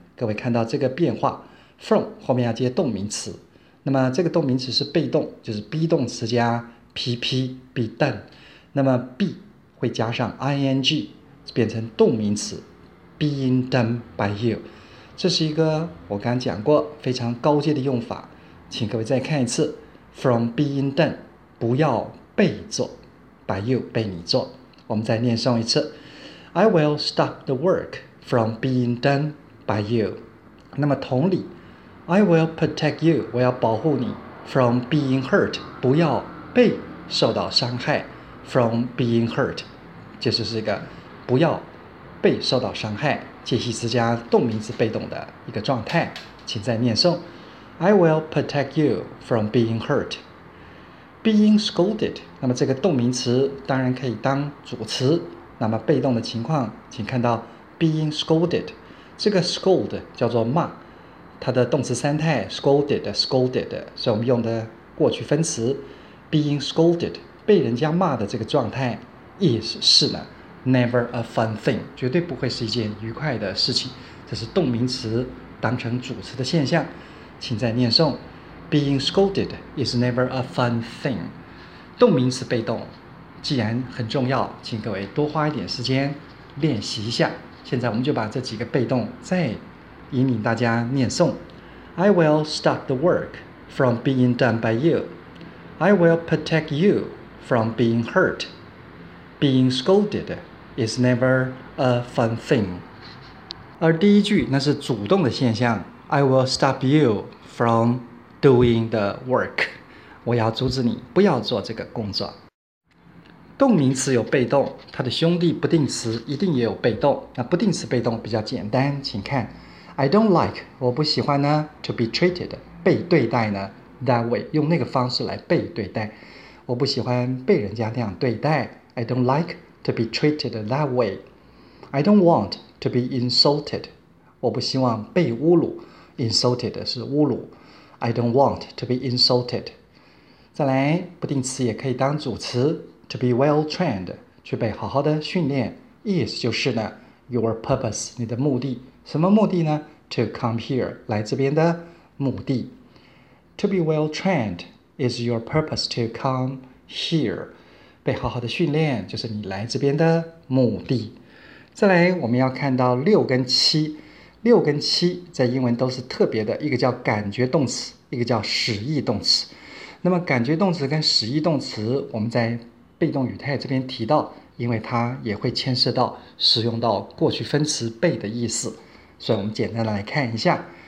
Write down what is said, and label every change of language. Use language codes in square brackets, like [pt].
[zh] 各位看到这个变化， from 后面要接动名词，那么这个动名词是被动，就是 be 动词加 PP [en] be done， [zh] 那么 be会加上 ing， 变成动名词 [en] being done by you， [zh] 这是一个我刚刚讲过非常高阶的用法，请各位再看一次 [en] from being done， [zh] 不要被做 [en] by you， [zh] 被你做。我们再念诵一次 [en] I will stop the work from being done by you。 [zh] 那么同理 [en] I will protect you， [zh] 我要保护你 [en] from being hurt， [zh] 不要被受到伤害from being hurt， 就是这个不要被受到伤害，介系词加动名词被动的一个状态，请再念诵 [en] I will protect you from being hurt。 being scolded， [zh] 那么这个动名词当然可以当主词，那么被动的情况请看到 being scolded， 这个 scold 叫做骂，它的动词三态 scolded， 所以我们用的过去分词 [en] being scolded， [zh] 被人家骂的这个状态 is 是呢 [en] never a fun thing， [zh] 绝对不会是一件愉快的事情，这是动名词当成主词的现象，请再念诵 [en] being scolded is never a fun thing。 [zh] 动名词被动既然很重要，请各位多花一点时间练习一下。现在我们就把这几个被动再引领大家念诵 [en] I will stop the work from being done by you， I will protect youfrom being hurt， being scolded is never a fun thing。 [zh] 而第一句那是主动的现象， [en] I will stop you from doing the work， [zh] 我要阻止你不要做这个工作。动名词有被动，它的兄弟不定词一定也有被动，那不定词被动比较简单，请看 [en] I don't like， [zh] 我不喜欢呢 [en] to be treated， [zh] 被对待呢 [en] that way， [zh] 用那个方式来被对待，我不喜欢被人家那样对待， [en] I don't like to be treated that way。 I don't want to be insulted， [zh] 我不希望被侮辱， insulted 是侮辱。 [en] I don't want to be insulted. [zh] 再来，不定词也可以当主词 , [en] to be well trained, [zh] 去被好好的训练。 Is 就是呢 , [en] your purpose, [zh] 你的目的。什么目的呢 ? [en] to come here, [zh] 来这边的目的。 [en] To be well trained is your purpose to come here. [zh] 被好好的训练就是你来这边的目的。再来，我们要看到六跟七。六跟七在英文都是特别的，一个叫感觉动词，一个叫使役动词。那么感觉动词跟使役动词，我们在被动语态这边提到，因为它也会牵涉到使用到过去分词被的意思，所以我们简单的来看一下。